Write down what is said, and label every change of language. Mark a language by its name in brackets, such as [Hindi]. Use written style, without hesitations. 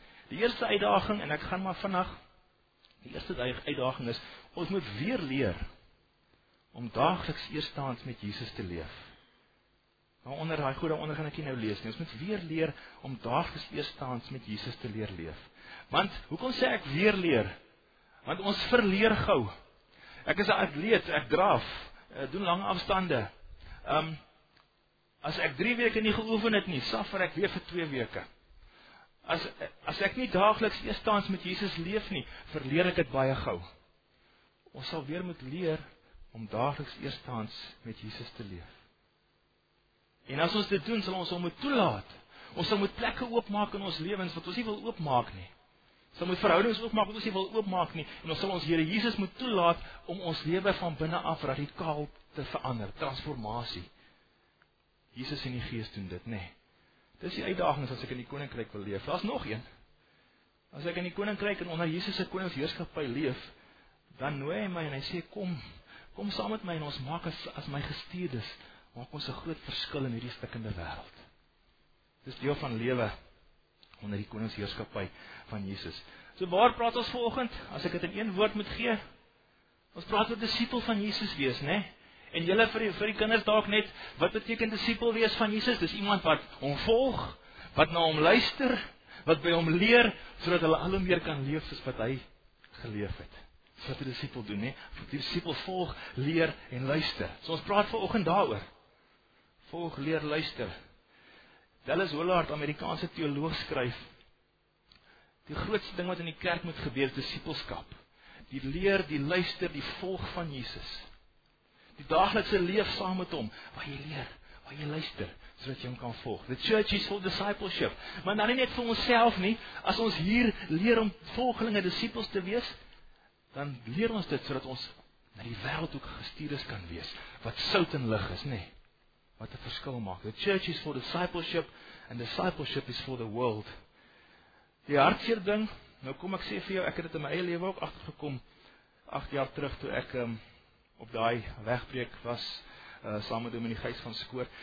[Afrikaans] Die eerste uitdaging, en ek gaan maar vandag, die eerste uitdaging is, ons moet weer leer om dagliks eerstaans met Jesus te leef. Maar onder daai goede onder gaan ek nie nou lees nie, ons moet weer leer om dagliks eerstaans met Jesus te leer leef. Want, hoekom sê ek weer leer? Want ons verleer gou. Ek is 'n atleet, ek draaf, doen lange afstande. As ek 3 weke nie geoefen het nie, suffer ek weer vir 2 weke. As ek nie daagliks eerstaans met Jesus leef nie, verleer ek het baie gauw. Ons sal weer moet leer om daagliks eerstaans met Jesus te leef. En as ons dit doen, sal ons hom moet toelaat. Ons sal moet plekke oopmaak in ons lewens wat ons nie wil oopmaak nie. Ons sal moet verhoudings oopmaak wat ons nie wil oopmaak nie. En ons sal ons Here Jesus moet toelaat om ons lewe van binne af radikaal te verander. Transformasie. Jesus en die Gees doen dit, né? Dis die uitdagings as ek in die koninkryk wil leef. Daar's nog een. As ek in die koninkryk en onder Jesus se koningsheerskappy leef, dan nooi hy my en hy sê kom saam met my en ons maak as my gestuurdes, maak ons 'n groot verskil in hierdie stikkende wêreld. Dis deel van lewe onder die koningsheerskappy van Jesus. So waar praat ons vanoggend? As ek dit in een woord moet gee, ons praat oor disipel van Jesus wees, né? En julle vir die kinders dalk net, wat beteken disipel wees van Jesus? Dis iemand wat hom volg, wat na hom luister, wat by hom leer, sodat hulle al hoe meer kan leef soos wat hy geleef het. Dis wat 'n disipel doen, né? Die disipel volg, leer en luister. So ons praat vanoggend daaroor. Volg, leer, luister. Dallas Willard, Amerikaanse teoloog, skryf: "Die grootste ding wat in die kerk moet gebeur is disipelskap. Die leer, die luister, die volg van Jesus. Die daaglikse leef saam met hom, waar jy leer, waar jy luister, sodat jy hom kan volg. [English] The church is for discipleship." [Afrikaans] Maar dan nie net vir onsself nie, as ons hier leer om volgelinge disipels te wees, dan leer ons dit sodat ons na die wêreld ook gestuurdes kan wees, wat sout en lig is, nie? Wat 'n verskil maak. [English] The church is for discipleship, and discipleship is for the world. [Afrikaans] Die hartseer ding, nou kom ek sê vir jou, ek het dit in my eie lewe ook agtergekom, 8 jaar terug, toe ek op daai wegbreek was, saam met Dominee Gys van Skoor.